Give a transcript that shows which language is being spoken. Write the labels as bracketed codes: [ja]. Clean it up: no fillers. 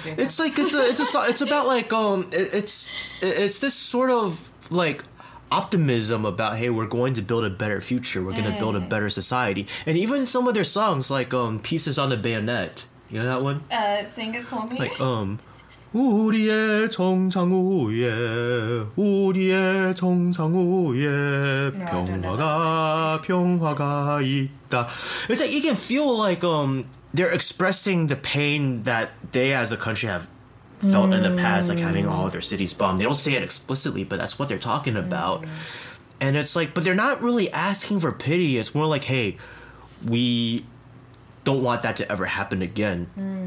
[en] it's like it's about like it's this sort of like optimism about, hey, we're going to build a better future, we're gonna build a better society. And even some of their songs, like Pieces on the Bayonet, you know that one? Sing it for me. Like [ko] 우리의 정상 위에 우리의 정상 위에 평화가 평화가 있다. [en] It's like you can feel like they're expressing the pain that they as a country have felt in the past, like having all of their cities bombed. They don't say it explicitly, but that's what they're talking about. And it's like, but they're not really asking for pity. It's more like, hey, we don't want that to ever happen again.